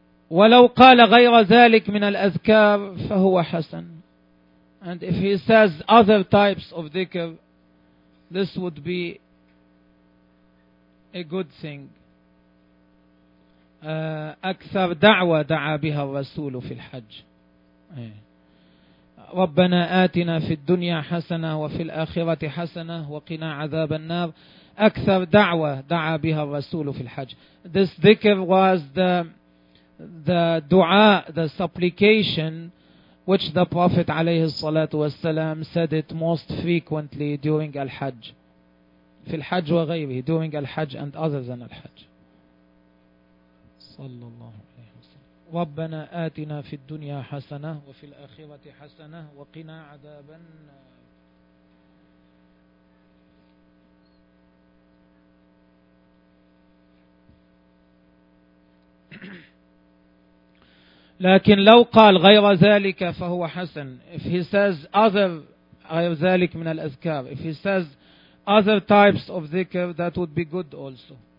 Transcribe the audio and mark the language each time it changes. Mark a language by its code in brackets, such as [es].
[ar] ولو قال غير ذلك من الأذكار فهو حسن. [en] And if he says other types of zikr, this would be a good thing. [ar] أكثر دعوة دعا بها الرسول في الحج. ربنا آتنا في الدنيا حسنة وفي الآخرة حسنة وقنا عذاب النار. أكثر دعوة دعا بها الرسول في الحج. [en] This dhikr was the dua, the supplication which the Prophet عليه الصلاة والسلام said it most frequently during Al-Hajj. [ar] في الحج وغيره, [en] during Al-Hajj and other than Al-Hajj. [ar] صلى الله عليه وسلم. ربنا آتنا في الدنيا حسنة وفي الآخرة حسنة وقنا عذاب النار. لكن لو قال غير ذلك فهو حسن. [en] If he says other [ar] غير ذلك من الأذكار, [en] if he says other types of ذكر, that would be good also.